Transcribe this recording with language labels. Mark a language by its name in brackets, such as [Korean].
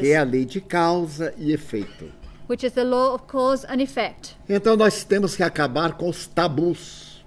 [Portuguese] Que é a lei de causa e efeito. [English] Which is the law of cause and effect. [Portuguese] Então nós temos que acabar com os tabus.